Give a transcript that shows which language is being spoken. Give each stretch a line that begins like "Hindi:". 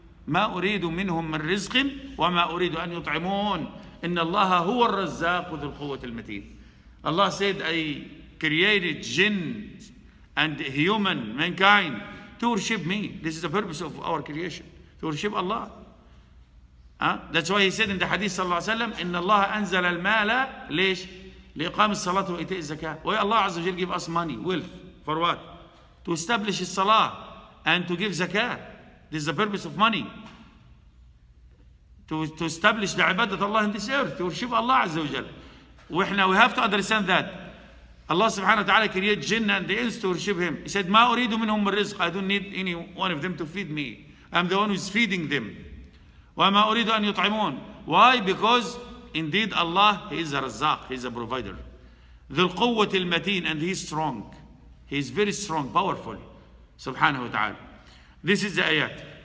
Arabic: مَا أُرِيدُ مِنْهُمْ مِنْ رِزْقٍ وَمَا أُرِيدُ أَنْ يُطْعِمُونَ. إِنَّ اللَّهَ هُوَ الرَّزَّاقُ ذُو الْقُوَّةِ الْمَتِينَ.
English: Allah said, I created jinn and human, mankind, to worship me. This is the purpose of our creation, to worship Allah. That's why He said in the hadith
Arabic: صلى الله عليه وسلم, إِنَّ اللَّهَ أَنزَلَ الْمَالَ. ليش؟ لإقام الصلاة وإيتاء الزكاة. وي الله عز وجل
English: give us money, wealth, for what? To establish الصلاة and to give زكاة. This is the purpose of money. To establish the
Arabic: عبادة الله
English: in this earth, to worship
Arabic: الله عز وجل.
English: وإحنا we have to understand that.
Arabic: الله سبحانه وتعالى
English: create jinn and the ins to worship him. He said,
Arabic: ما أريد منهم من رزق.
English: I don't need any one of them to feed me. I'm the one who is feeding them.
Arabic: وما أريد أن يطعمون.
English: Why? Because indeed, Allah, He is a Razzaq, He is a provider.
Arabic: ذو القوة المتين,
English: and He is strong. He is very strong, powerful. Subhanahu wa ta'ala. This is the ayat.